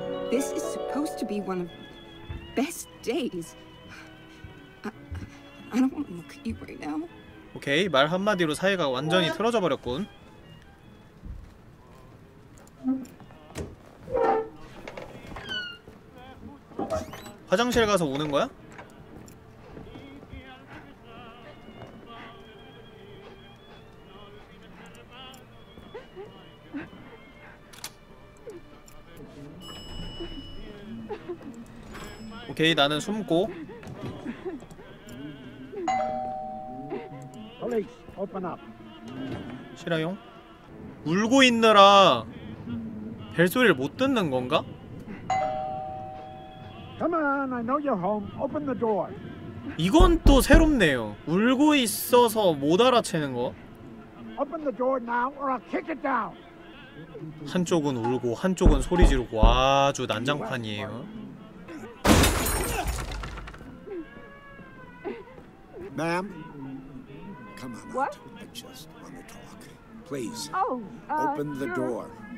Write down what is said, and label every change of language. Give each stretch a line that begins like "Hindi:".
English: This is supposed to be one of the best days. I don't want to look at you right now.
Korean: 오케이, 말 한마디로 사이가 완전히 틀어져 버렸군. 화장실 가서 우는 거야? 오케이, 나는 숨고.
English: Police, open up.
Korean: 실화용? 울고 있느라 벨소리를 못 듣는 건가?
English: Come on, I know you're home. Open the door.
Korean: 이건 또 새롭네요. 울고 있어서 못 알아채는 거?
English: Open the door now or I'll kick it down.
Korean: 한쪽은 울고 한쪽은 소리 지르고 아주 난장판이에요.
English: 맘. Come on. What? I just want to talk. Please. Oh, open the sure. door.